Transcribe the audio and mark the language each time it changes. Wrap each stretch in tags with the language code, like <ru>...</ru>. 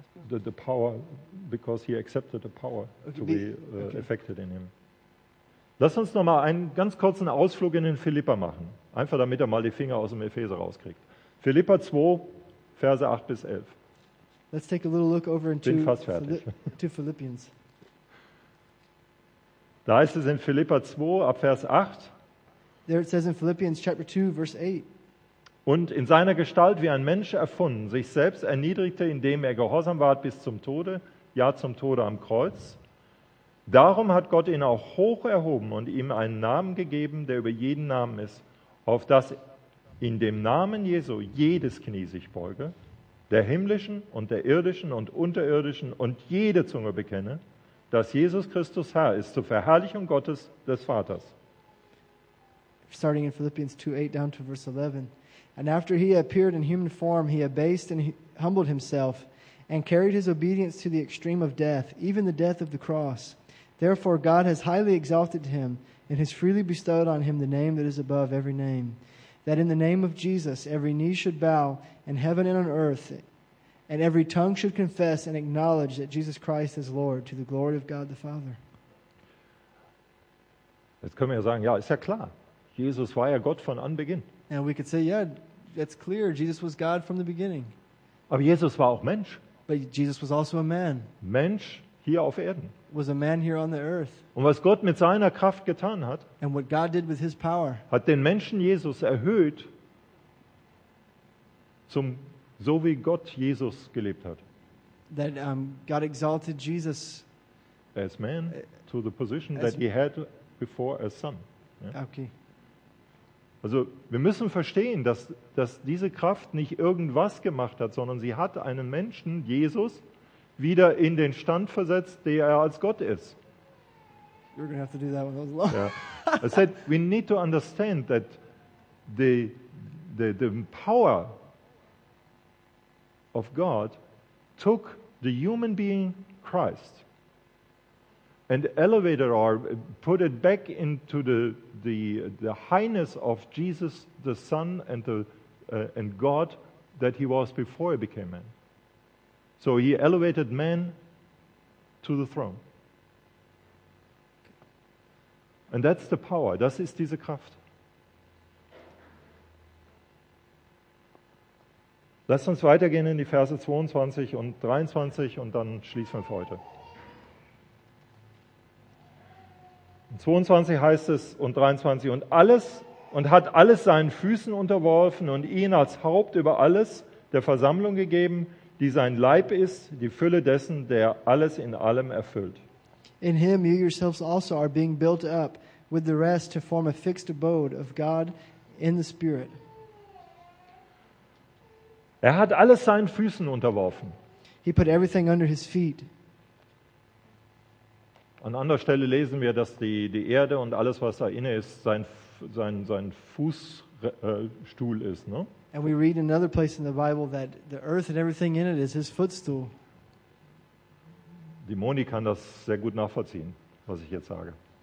<en>The power, because he accepted the power to be affected in him.</en> <de>Lass uns noch mal einen ganz kurzen Ausflug in den Philipper machen, einfach damit er mal die Finger aus dem Epheser rauskriegt. Philipper 2. Verse 8 bis 11.</de> <en>Let's take a little look over into Philippians.</en> <de>Da heißt es in Philippa 2, ab Vers 8.</de> <en>There it says in Philippians chapter 2, verse 8.</en> <de>Und in seiner Gestalt wie ein Mensch erfunden, sich selbst erniedrigte, indem er gehorsam ward bis zum Tode, ja zum Tode am Kreuz. Darum hat Gott ihn auch hoch erhoben und ihm einen Namen gegeben, der über jeden Namen ist, auf das in dem Namen Jesu jedes Knie sich beuge, der himmlischen und der irdischen und unterirdischen und jede Zunge bekenne, dass Jesus Christus Herr ist, zur Verherrlichung Gottes des Vaters.</de> <en>Starting in Philippians 2:8 down to verse 11. And after he appeared in human form, he abased and humbled himself and carried his obedience to the extreme of death, even the death of the cross. Therefore, God has highly exalted him and has freely bestowed on him the name that is above every name, that in the name of Jesus every knee should bow in heaven and on earth, and every tongue should confess and acknowledge that Jesus Christ is Lord, to the glory of God the Father.</en> <de>Jetzt können wir ja sagen, ja, ist ja klar. Jesus war ja Gott von Anbeginn.</de> <en>And we could say, yeah, that's clear. Jesus was God from the beginning.</en> <de>Aber Jesus war auch Mensch.</de> <en>But Jesus was also a man.</en> <de>Mensch hier auf Erden.</de> <en>Was a man here on the earth.</en> <de>Und was Gott mit seiner Kraft getan hat,</de> <en>and what God did with his power,</en> <de>hat den Menschen Jesus erhöht, zum, so wie Gott Jesus gelebt hat.</de> <en>That God exalted Jesus as man to the position that he had before as son. Yeah? Okay.</en> <de>Also wir müssen verstehen, dass diese Kraft nicht irgendwas gemacht hat, sondern sie hat einen Menschen, Jesus, wieder in den Stand versetzt, der er als Gott ist.</de> <en>You're gonna have to do that when I was long. Yeah. I said, we need to understand that the power of God took the human being Christ and elevated or put it back into the highness of Jesus the Son and and God that he was before he became man. So he elevated man to the throne. And that's the power.</en> <de>Das ist diese Kraft. Lasst uns weitergehen in die Verse 22 und 23 und dann schließen wir für heute. In 22 heißt es und 23 und alles und hat alles seinen Füßen unterworfen und ihn als Haupt über alles der Versammlung gegeben, die sein Leib ist, die Fülle dessen, der alles in allem erfüllt.</de> <en>In him you yourselves also are being built up with the rest to form a fixed abode of God in the Spirit.</en> <de>Er hat alles seinen Füßen unterworfen.</de> <en>He put everything under his feet.</en> <de>An anderer Stelle lesen wir, dass die Erde und alles, was da inne ist, sein Fußstuhl ist, ne?</de> <en>And we read in another place in the Bible that the earth and everything in it is his footstool.</en> <de>Die Moni kann das sehr gut nachvollziehen, was ich jetzt sage.</de>